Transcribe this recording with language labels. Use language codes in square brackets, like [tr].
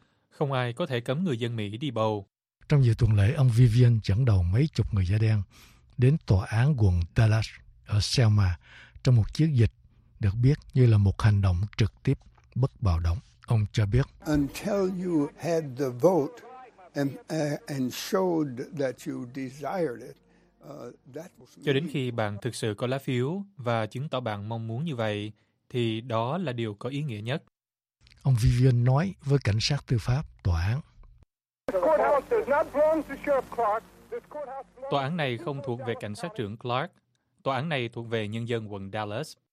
[vi] "Không ai có thể cấm người dân Mỹ đi bầu." Trong nhiều tuần lễ, ông Vivian dẫn đầu mấy chục người da đen đến tòa án quận Dallas ở Selma trong một chiến dịch được biết như là một hành động trực tiếp bất bạo động. Ông cho biết, [en] "Until you had the vote and showed that you desired it, that was..." [vi] Cho đến khi bạn thực sự có lá phiếu và chứng tỏ bạn mong muốn như vậy, thì đó là điều có ý nghĩa nhất. Ông Vivian nói với cảnh sát tư pháp tòa án, "Tòa án này không thuộc về cảnh sát trưởng Clark. Tòa án này thuộc về nhân dân quận Dallas."